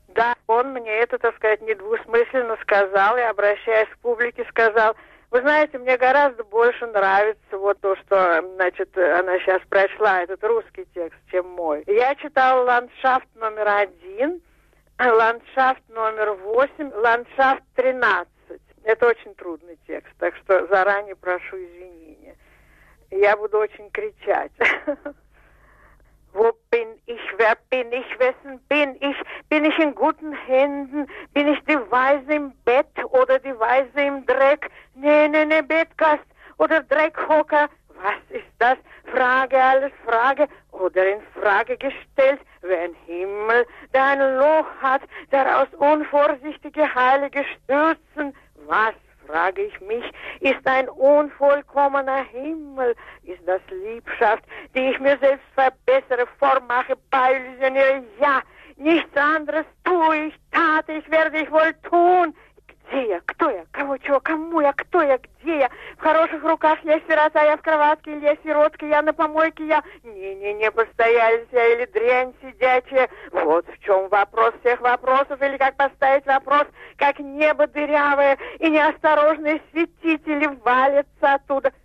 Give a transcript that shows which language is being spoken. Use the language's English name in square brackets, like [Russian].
[Russian] Да, он мне это, так сказать, недвусмысленно сказал и, обращаясь к публике, сказал: вы знаете, мне гораздо больше нравится вот то, что, значит, она сейчас прочла, этот русский текст, чем мой. Я читала «Ландшафт номер 1», «Ландшафт номер 8», «Ландшафт 13». Это очень трудный текст, так что заранее прошу извинения. Я буду очень кричать. [German] Wo bin ich, wer bin ich, wessen bin ich in guten Händen, bin ich die Weise im Bett oder die Weise im Dreck, nee, nee, nee, Bettgast oder Dreckhocker, was ist das, Frage, alles Frage oder in Frage gestellt, wer ein Himmel, der ein Loch hat, der aus unvorsichtige Heilige stürzen, was? Frage ich mich, ist ein unvollkommener Himmel, ist das Liebschaft, die ich mir selbst verbessere, vormache, beillusioniere, ja, nichts anderes tue ich, tat ich, werde ich wohl tun. [Russian] Где я? Кто я? Кого чего? Кому я? Кто я? Где я? В хороших руках я сирота, я в кроватке, или я сиротка, я на помойке, я... Не-не-не, постоялись я или дрянь сидячая. Вот в чем вопрос всех вопросов, или как поставить вопрос, как небо дырявое, и неосторожные светители валятся оттуда.